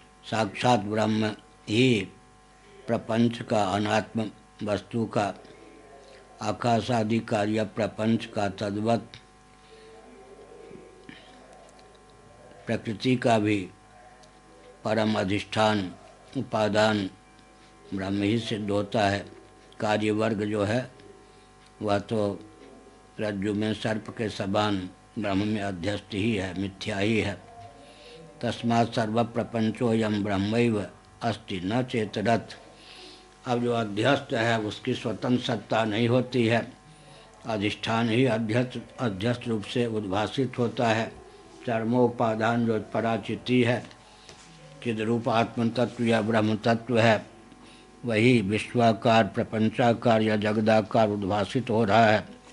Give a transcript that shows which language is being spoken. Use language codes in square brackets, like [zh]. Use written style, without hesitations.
[hi] साक्षात ब्रह्म ही प्रपंच का, अनात्म वस्तु का, आकाश आदि कार्य प्रपंच का, तद्वत प्रकृति का भी परम अधिष्ठान उपादान ब्रह्म ही सिद्ध होता है। कार्य वर्ग जो है वह तो रज्जु में सर्प के समान ब्रह्म में अध्यस्त ही है, मिथ्या ही है। [sa] तस्मात् सर्व प्रपंचोऽयं ब्रह्मैव अस्ति न चेतरत्। [hi] अब जो अध्यस्त है उसकी स्वतंत्र सत्ता नहीं होती है, अधिष्ठान ही अध्यस्त रूप से उद्भासित होता है। चर्मोपादान जो पराचिति है, चिद्रूप आत्मतत्व या ब्रह्म तत्व है, वही विश्वाकार, प्रपंचाकार या जगदाकार उद्भासित हो रहा है।